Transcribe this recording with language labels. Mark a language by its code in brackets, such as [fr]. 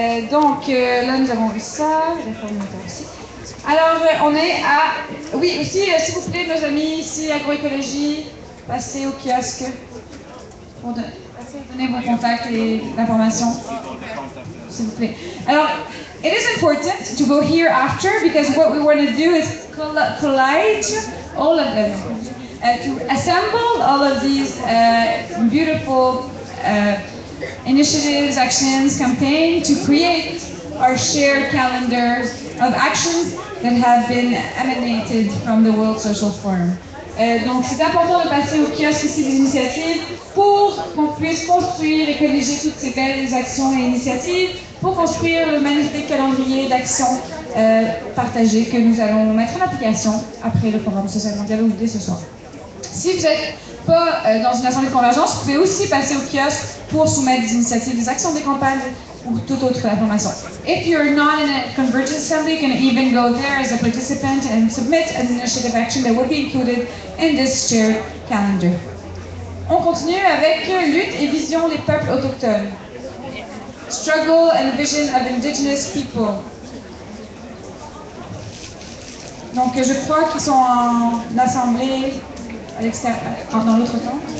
[fr] Donc, là nous avons vu ça, la formulaire aussi. Alors, on est à... Oui, aussi, s'il vous plaît, nos amis ici, agroécologie, passez au kiosque. Pour donner vos contacts et l'information, s'il vous plaît. [en] Alors, it is important to go here after, because what we want to do is collide all of them, to assemble all of these beautiful initiatives, actions, campaigns, to create our shared calendar of actions that have been emanated from the World Social Forum. [fr] Donc c'est important de passer au kiosque ici des initiatives pour qu'on puisse construire et colliger toutes ces belles actions et initiatives pour construire le magnifique calendrier d'actions partagées que nous allons mettre en application après le programme social mondial ou dès ce soir. Si vous n'êtes pas dans une assemblée de convergence, vous pouvez aussi passer au kiosque pour soumettre des initiatives, des actions, des campagnes ou toute autre information. [en] If you're not in a convergence assembly, you can even go there as a participant and submit an initiative action that will be included in this shared calendar. [fr] On continue avec lutte et vision des peuples autochtones. [en] Struggle and vision of indigenous people. [fr] Donc je crois qu'ils sont en assemblée à l'extérieur, dans l'autre temps.